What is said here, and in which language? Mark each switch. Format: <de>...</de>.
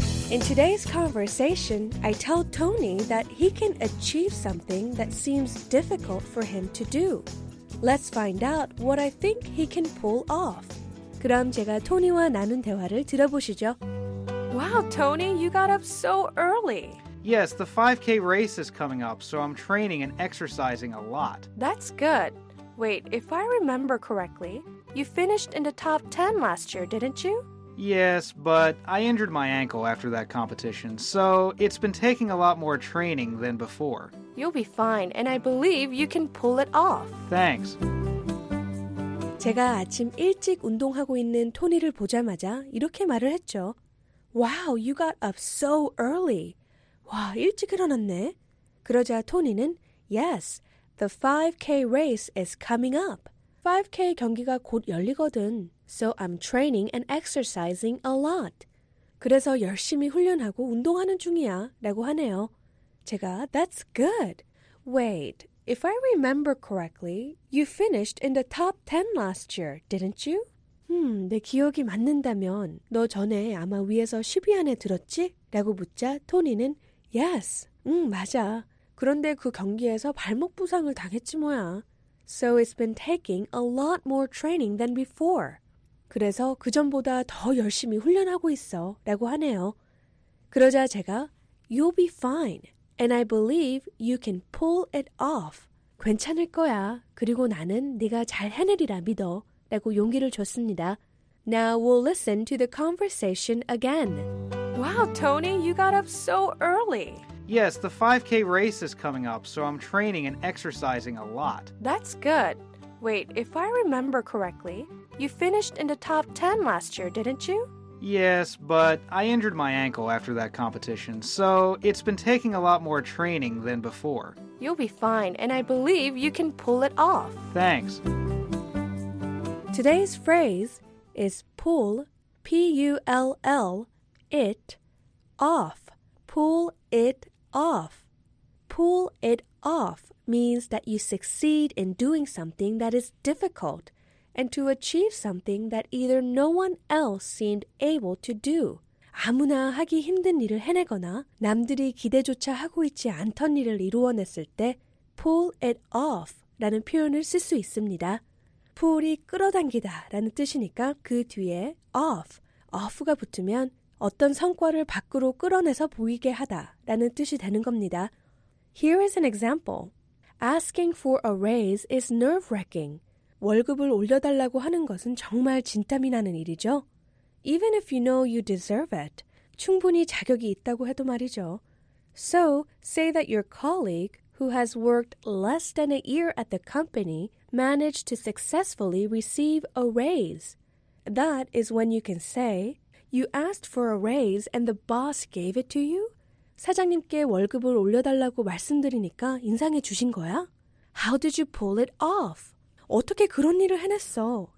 <en>In today's conversation, I tell Tony that he can achieve something that seems difficult for him to do. Let's find out what I think he can pull off.</en> <ko>그럼 제가 토니와 나눈 대화를 들어보시죠.</ko> <en>Wow, Tony, you got up so early. Yes, the 5K race is coming up, so I'm training and exercising a lot. That's good. Wait, if I remember correctly, you finished in the top 10 last year, didn't you? Yes, but I injured my ankle after that competition, so it's been taking a lot more training than before. You'll be fine, and I believe you can pull it off. Thanks.</en> <ko>제가 아침 일찍 운동하고 있는 토니를 보자마자 이렇게 말을 했죠.</ko> <en>Wow, you got up so early.</en> <ko>와, 일찍 일어났네. 그러자 토니는</ko> <en>Yes, the 5K race is coming up.</en> <ko>5K 경기가 곧 열리거든.</ko> <en>So I'm training and exercising a lot.</en> <ko>그래서 열심히 훈련하고 운동하는 중이야 라고 하네요. 제가</ko> <en>That's good. Wait, if I remember correctly, you finished in the top 10 last year, didn't you?</en> <ko>내 기억이 맞는다면 너 전에 아마 위에서 10위 안에 들었지? 라고 묻자 토니는</ko> <en>Yes,</en> <ko>맞아. 그런데 그 경기에서 발목 부상을 당했지 뭐야.</ko> <en>So it's been taking a lot more training than before.</en> <ko>그래서 그 전보다 더 열심히 훈련하고 있어 라고 하네요. 그러자 제가</ko> <en>You'll be fine. And I believe you can pull it off.</en> <ko>괜찮을 거야. 그리고 나는 네가 잘 해내리라 믿어. 라고 용기를 줬습니다.</ko> <en>Now we'll listen to the conversation again. Wow, Tony, you got up so early. Yes, the 5K race is coming up, so I'm training and exercising a lot. That's good. Wait, if I remember correctly, you finished in the top 10 last year, didn't you? Yes, but I injured my ankle after that competition, so it's been taking a lot more training than before. You'll be fine, and I believe you can pull it off. Thanks. Today's phrase is pull, P-U-L-L, it, off. Pull it off. Pull it off means that you succeed in doing something that is difficult and to achieve something that either no one else seemed able to do.</en> <ko>아무나 하기 힘든 일을 해내거나 남들이 기대조차 하고 있지 않던 일을 이루어냈을 때 pull it off 라는 표현을 쓸 수 있습니다. pull이 끌어당기다 라는 뜻이니까 그 뒤에 off, off가 붙으면 어떤 성과를 밖으로 끌어내서 보이게 하다 라는 뜻이 되는 겁니다.</ko> <en>Here is an example. Asking for a raise is nerve-wracking.</en> <ko>월급을 올려달라고 하는 것은 정말 진땀이 나는 일이죠.</ko> <en>Even if you know you deserve it.</en> <ko>충분히 자격이 있다고 해도 말이죠.</ko> <en>So, say that your colleague, who has worked less than a year at the company, managed to successfully receive a raise. That is when you can say, You asked for a raise and the boss gave it to you?</en> <ko>사장님께 월급을 올려달라고 말씀드리니까 인상해 주신 거야?</ko> <en>How did you pull it off?</en> <ko>어떻게 그런 일을 해냈어?</ko>